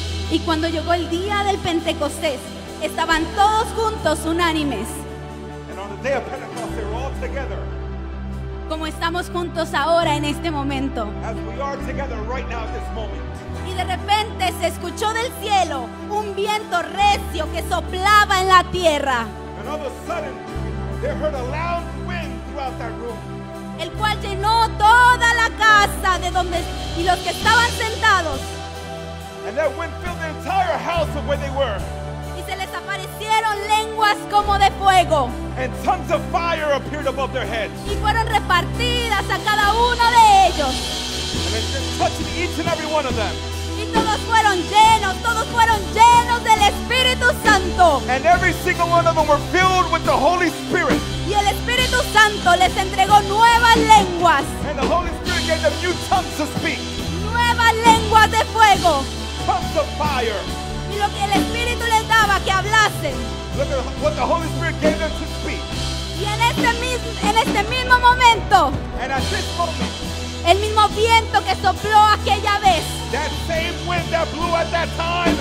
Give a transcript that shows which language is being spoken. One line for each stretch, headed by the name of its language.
Spanish: Y cuando llegó el día del Pentecostés, estaban todos juntos, unánimes.
English: And on the day of Pentecost, they were all together.
Spanish: Como estamos juntos ahora en este momento.
English: As we are together right now at this moment.
Spanish: Y de repente se escuchó del cielo un viento recio que soplaba en la tierra.
English: And all of a sudden, they heard a loud wind throughout that room.
Spanish: El cual llenó toda la casa de donde y los que estaban sentados.
English: And that wind filled the entire house of where they were.
Spanish: Y se les aparecieron lenguas como de fuego.
English: And tongues of fire appeared above their heads.
Spanish: Y fueron repartidas a cada uno de ellos.
English: And it just touched each and every one of them.
Spanish: Y todos fueron llenos del Espíritu Santo.
English: And every single one of them were filled with the Holy Spirit.
Spanish: Y el Espíritu Santo les entregó nuevas lenguas.
English: And the Holy Spirit gave them new tongues to speak.
Spanish: Nuevas lenguas de fuego.
English: Tongues of fire.
Spanish: Y lo que el Espíritu les daba que hablasen.
English: Look at what the Holy Spirit gave them to speak.
Spanish: Y en este mismo momento.
English: And at this moment.
Spanish: El mismo viento que sopló aquella vez.
English: That same wind that blew at that time.